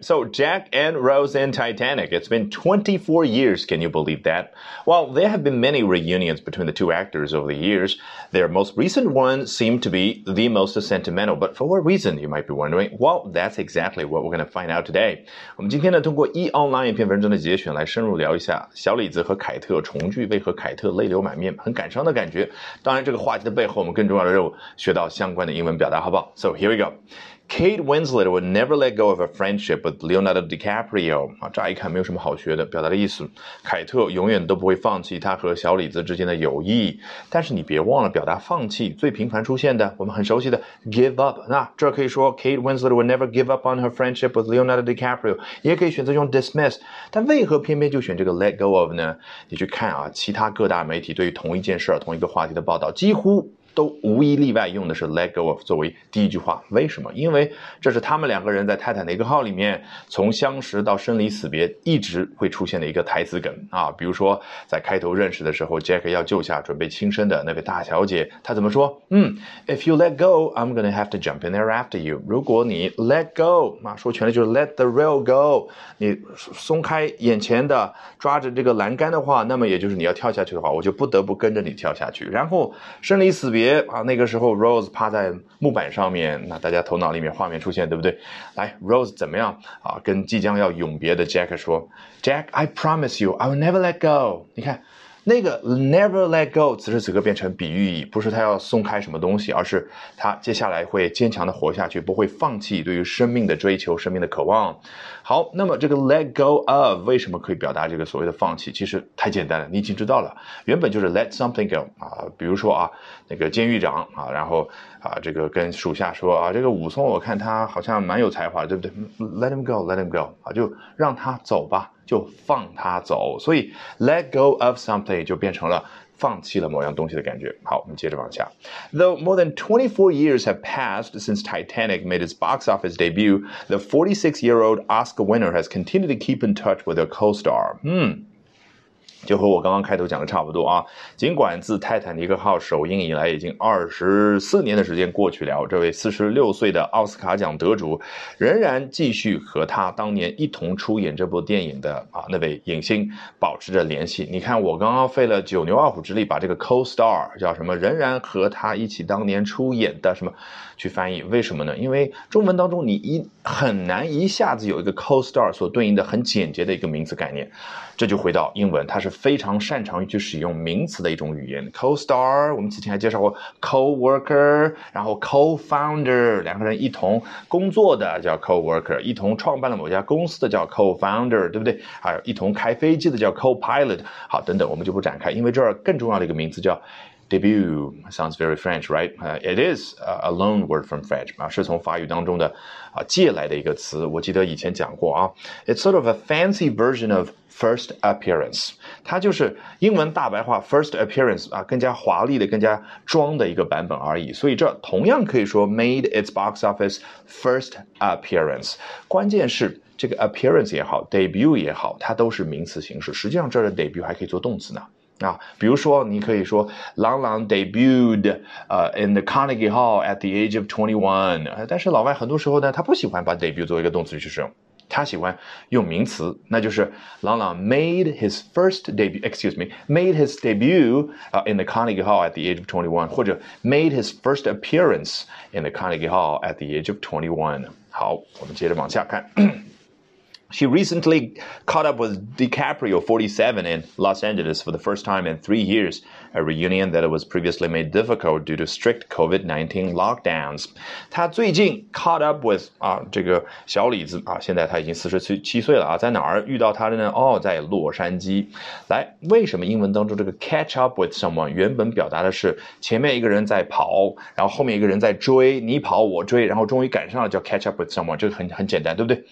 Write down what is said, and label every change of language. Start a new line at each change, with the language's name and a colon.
English: So, Jack and Rose in Titanic. It's been 24 years, can you believe that? Well, there have been many reunions between the two actors over the years. Their most recent one seemed to be the most sentimental. But for what reason, you might be wondering? Well, that's exactly what we're going to find out today.
Chinese: 我们今天呢通过 eOnline 一篇文章的节选来深入聊一下小李子和凯特重聚为何凯特泪流满面很感伤的感觉。当然这个话题的背后我们更重要的任务学到相关的英文表达好不好 ?
English: So, here we go. Kate Winslet would never let go of a friendship with Leonardo DiCaprio.
Chinese: 乍一看没有什么好学的，表达的意思，凯特永远都不会放弃他和小李子之间的友谊。但是你别忘了，表达放弃最频繁出现的，我们很熟悉的 give up。那这可以说
English: Kate Winslet would never give up on her friendship with Leonardo DiCaprio，
Chinese: 也可以选择用 dismiss。但为何偏偏就选这个 let go of 呢？你去看啊，其他各大媒体对于同一件事、同一个话题的报道，几乎。都无一例外用的是 let go of 作为第一句话，为什么？因为这是他们两个人在泰坦尼克号里面从相识到生离死别一直会出现的一个台词梗啊。比如说在开头认识的时候 ，Jack 要救下准备轻生的那位大小姐，她怎么说？
English: If you let go, I'm gonna have to jump in there after you。
Chinese: 如果你 let go， 啊，说全了就是
English: let the rail go，
Chinese: 你松开眼前的抓着这个栏杆的话，那么也就是你要跳下去的话，我就不得不跟着你跳下去。然后生离死别。那个时候 Rose 趴在木板上面，那大家头脑里面画面出现，对不对？来 Rose 怎么样啊？跟即将要永别的
English: Jack
Chinese: 说
English: Jack I promise you I will never let go。
Chinese: 你看那个 never let go 此时此刻变成比喻意，不是他要松开什么东西，而是他接下来会坚强的活下去，不会放弃对于生命的追求，生命的渴望。好，那么这个 let go of 为什么可以表达这个所谓的放弃？其实太简单了，你已经知道了，原本就是 let something go 啊，比如说啊，那个监狱长啊，然后啊，这个跟属下说啊，这个武松我看他好像蛮有才华，对不对 ？
English: Let him go, let him go
Chinese: 啊，就让他走吧。就放他走，所以 let go of something 就变成了放弃了某样东西的感觉。好，我们接着往下。
English: Though more than 24 years have passed since Titanic made its box office debut, the 46-year-old Oscar winner has continued to keep in touch with her co-star.
Chinese: 就和我刚刚开头讲的差不多啊。尽管自泰坦尼克号首映以来已经24年的时间过去了，这位46岁的奥斯卡奖得主仍然继续和他当年一同出演这部电影的啊那位影星保持着联系。你看我刚刚费了九牛二虎之力把这个 co-star 叫什么仍然和他一起当年出演的什么去翻译，为什么呢？因为中文当中你很难一下子有一个 co-star 所对应的很简洁的一个名词概念。这就回到英文，它是非常擅长于去使用名词的一种语言。 co-star 我们之前还介绍过 co-worker， 然后 co-founder 两个人一同工作的叫 co-worker， 一同创办了某家公司的叫 co-founder， 对不对？还有一同开飞机的叫 co-pilot， 好，等等我们就不展开，因为这儿更重要的一个名词叫
English: Debut sounds very French, right? It is a loan word from French,
Chinese: 是从法语当中的借来的一个词。我记得以前讲过啊。
English: It's sort of a fancy version of first appearance.
Chinese: 它就是英文大白话 first appearance, 更加华丽的更加装的一个版本而已。所以这同样可以说
English: made its box office first appearance.
Chinese: 关键是这个 appearance 也好 ,debut 也好它都是名词形式。实际上这儿的 debut 还可以做动词呢。啊，比如说你可以说 朗朗
English: debuted in the Carnegie Hall at the age of 21，
Chinese: 但是老外很多时候呢他不喜欢把 debut 作为一个动词去使用，他喜欢用名词，那就是 朗朗
English: made his first debut made his debut in the Carnegie Hall at the age of 21，
Chinese: 或者
English: made his first appearance in the Carnegie Hall at the age of 21。
Chinese: 好，我们接着往下看。
English: She recently caught up with DiCaprio, 47, in Los Angeles for the first time in 3 years, a reunion that was previously made difficult due to strict COVID-19 lockdowns.
Chinese: 她最近 caught up with 啊这个小李子啊，现在她已经47岁了啊，在哪儿遇到她的呢？哦，在洛杉矶。来，为什么英文当中这个 catch up with someone 原本表达的是前面一个人在跑，然后后面一个人在追，你跑我追，然后终于赶上了叫 catch up with someone， 这个很简单，对不对？